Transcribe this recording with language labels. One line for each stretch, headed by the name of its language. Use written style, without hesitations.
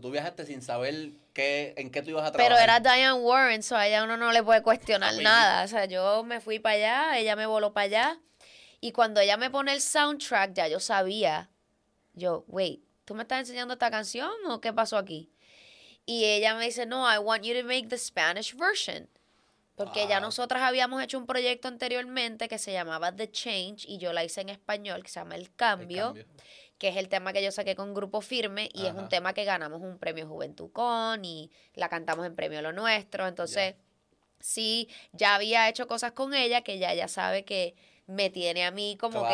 Spanish: Tú viajaste sin saber en qué tú ibas a trabajar. Pero era Diane Warren, o so a ella uno no le puede cuestionar nada. O sea, yo me fui para allá, ella me voló para allá. Y cuando ella me pone el soundtrack, ya yo sabía. Yo, wait, ¿tú me estás enseñando esta canción o qué pasó aquí? Y ella me dice, no,
English: I want you to make the Spanish version.
Spanish: Porque ya nosotras habíamos hecho un proyecto anteriormente que se llamaba The Change, y yo la hice en español, que se llama El Cambio. Que es el tema que yo saqué con Grupo Firme, y es un tema que ganamos un premio Juventud con, y la cantamos en premio Lo Nuestro. Entonces, sí, ya había hecho cosas con ella que ya ella sabe que me tiene a mí como claro. que...